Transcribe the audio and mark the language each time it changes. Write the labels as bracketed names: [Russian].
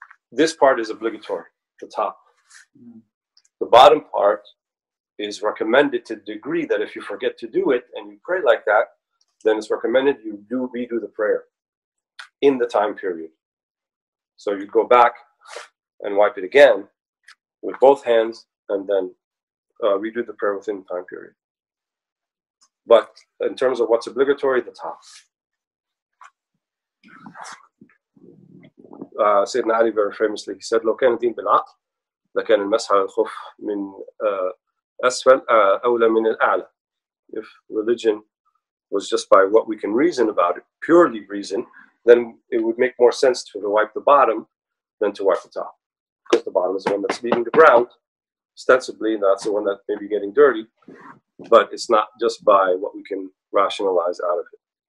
[English] This part is obligatory, the top. The bottom part is recommended to the degree that if you forget to do it and you pray like that, then it's recommended you do redo the prayer in the time period. So you go back and wipe it again with both hands, and then redo the prayer within the time period. But in terms of what's obligatory, the top. [Arabic] سيدنا علي [English] very famously he said [Arabic] لو كان الدين بالعقل لكان المسح على الخف من أسفل أولى من الأعلى. [English] If religion was just by what we can reason about it, purely reason, then it would make more sense to wipe the bottom than to wipe the top. Because the bottom is the one that's beating the ground. Ostensibly, that's the one that may be getting dirty. But it's not just by what we can rationalize out of it.